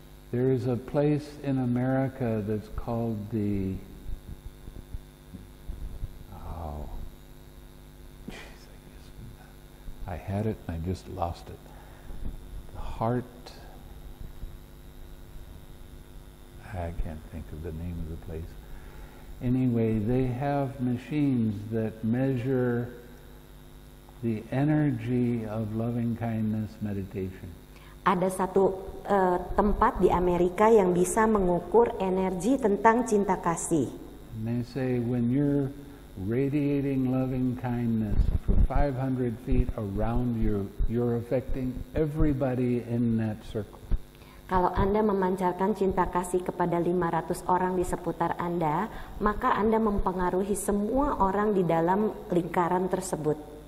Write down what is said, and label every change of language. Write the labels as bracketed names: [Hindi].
[English] There is a place in America that's called the I can't think of the name of the place. Anyway, they have machines that measure the energy of loving kindness meditation. [Indonesian] Ada satu tempat di Amerika yang bisa mengukur energi tentang cinta kasih. [English] And they say when you're radiating loving kindness for 500 feet around you, you're affecting everybody in that circle. [Indonesian] Kalau Anda memancarkan cinta kasih kepada 500 orang di seputar Anda, maka Anda mempengaruhi semua orang di dalam lingkaran tersebut.